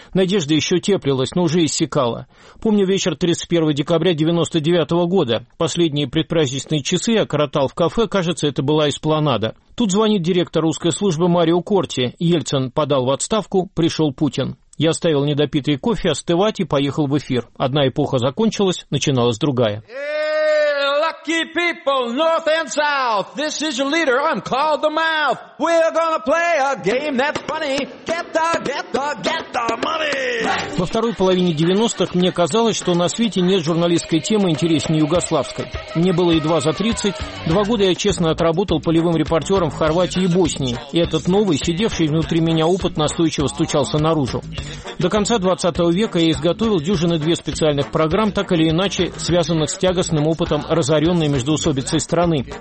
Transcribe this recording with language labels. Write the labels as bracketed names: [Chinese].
[Russian] Надежда еще теплилась, но уже иссякала. Помню вечер 31 декабря 99 года. Последние предпраздничные часы я коротал в кафе, кажется, это была эспланада. Тут звонит директор русской службы Марио Корти. Ельцин подал в отставку, пришел Путин. Я оставил недопитый кофе остывать и поехал в эфир. Одна эпоха закончилась, начиналась другая. [English] Lucky people, north and south, this is your leader, I'm called the mouth. We're gonna play a game that's funny, get the money. [Russian] Во второй половине 90-х мне казалось, что на свете нет журналистской темы интереснее югославской. Мне было едва за 30, два года я честно отработал полевым репортером в Хорватии и Боснии, и этот новый, сидевший внутри меня опыт настойчиво стучался наружу. До конца 20 века я изготовил дюжины две специальных программ, так или иначе связанных с тягостным опытом разоренной междоусобицей страны.